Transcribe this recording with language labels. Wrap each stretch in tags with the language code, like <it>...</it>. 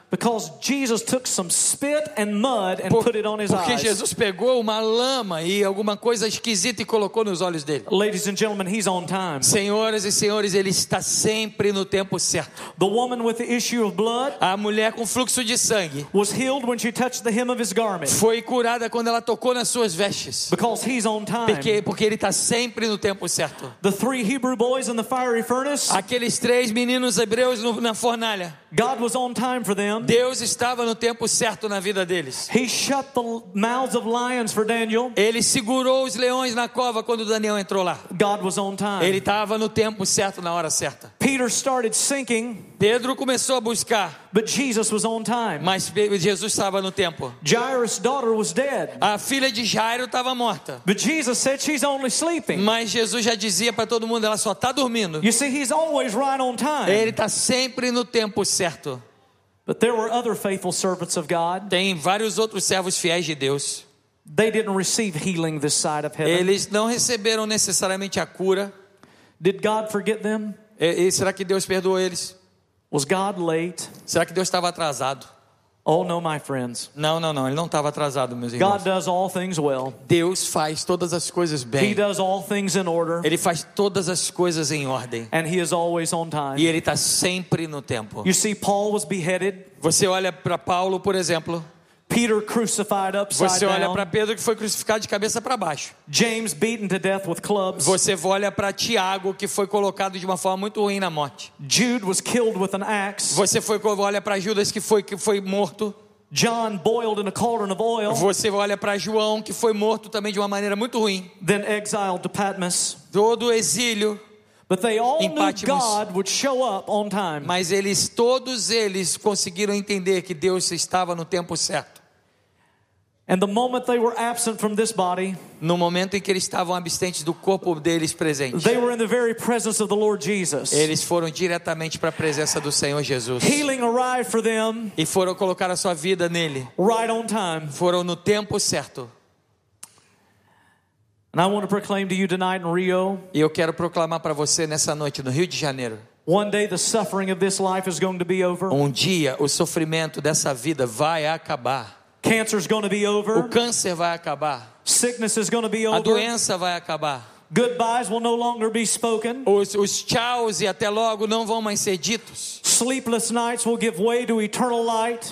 <en>Because Jesus took some spit and mud and put it on his eyes.</en> <pt>Porque Jesus pegou uma lama e alguma coisa esquisita e colocou nos olhos dele.</pt> <en>Ladies and gentlemen, he's on time.</en> <pt>Senhoras e senhores, ele está sempre no tempo certo.</pt> <en>The woman with the issue of blood,</en> <pt>a mulher com fluxo de sangue,</pt> <en>was healed when she touched the hem of his garment.</en> <pt>Foi curada quando ela tocou nas suas vestes.</pt> <en>Because he's on time.</en> <pt>Porque ele está sempre no tempo certo.</pt> <en>The three Hebrew boys in the fiery furnace,</en> <pt>aqueles três meninos hebreus na fornalha.</pt> <en>God was on time for them.</en> <pt>Deus estava no tempo certo na vida deles.</pt> <en>He shut the mouths of lions for Daniel.</en> <pt>Ele segurou os leões na cova quando Daniel entrou lá.</pt> <en>God was on time.</en> <pt>Ele estava no tempo certo na hora certa.</pt> <en>Peter started sinking.</en> <pt>Pedro começou a buscar.</pt> <en>But Jesus was on time.</en> <pt>Mas Jesus estava no tempo.</pt> <en>Jairus' daughter was dead.</en> <pt>A filha de Jairo estava morta.</pt> <en>But Jesus said she's only sleeping.</en> <pt>Mas Jesus já dizia para todo mundo, ela só está dormindo.</pt> <en>You see, he's always right on time.</en> <pt>Ele está sempre no tempo certo.</pt> <en>But there were other faithful servants of God.</en> <pt>Tem vários outros servos fiéis de Deus.</pt> <en>They didn't receive healing this side of heaven.</en> <pt>Eles não receberam necessariamente a cura.</pt> <en>Did God forget them?</en> <pt>E será que Deus perdoou eles?</pt> <en>Was God late?</en> <pt>Será que Deus estava atrasado?</pt> <en>Oh no, my friends.</en> <pt>Não, ele não estava atrasado, meus irmãos.</pt> <en>God does all things well.</en> <pt>Deus faz todas as coisas bem.</pt> <en>He does all things in order.</en> <pt>Ele faz todas as coisas em ordem.</pt> <en>And he is always on time.</en> <pt>E ele está sempre no tempo.</pt> <en>You see, Paul was beheaded.</en> <pt>Você olha para Paulo, por exemplo.</pt> <en>Peter crucified upside down.</en> <pt>Você olha</pt> <en>down.</en> <pt>Para Pedro, que foi crucificado de cabeça para baixo.</pt> <en>James beaten to death with clubs.</en> <pt>Você olha para Tiago, que foi colocado de uma forma muito ruim na morte.</pt> <en>Jude was killed with an axe.</en> <pt>Você olha para Judas, que foi morto.</pt> <en>John boiled in a cauldron of oil.</en> <pt>Você olha para João, que foi morto também de uma maneira muito ruim.</pt> <en>Then exiled to Patmos.</en> <pt>Todo exílio.</pt> <en>But they all knew God would show up on time.</en> <pt>Mas eles, todos eles, conseguiram entender que Deus estava no tempo certo.</pt> <en>And the moment they were absent from this body,</en> <pt>no momento em que eles estavam absentes do corpo deles presente,</pt> <en>they were in the very presence of the Lord Jesus.</en> <pt>Eles foram diretamente para a presença do Senhor Jesus.</pt> <en>Healing arrived for them.</en> <pt>E foram colocar a sua vida nele.</pt> <en>Right on time.</en> <pt>Foram no tempo certo.</pt> <en>And I want to proclaim to you tonight in Rio.</en> <pt>E eu quero proclamar para você nessa noite no Rio de Janeiro.</pt> <en>One day the suffering of this life is going to be over.</en> <pt>Um dia o sofrimento dessa vida vai acabar.</pt> <en>Cancer is going to be over.</en> <pt>O câncer vai acabar.</pt> <en>Sickness is going to be over.</en> <pt>A doença vai acabar.</pt> <en>Goodbyes will no longer be spoken.</en> <pt>Os tchauz e até logo não vão mais ser ditos.</pt> <en>Sleepless nights will give way to eternal light.</en>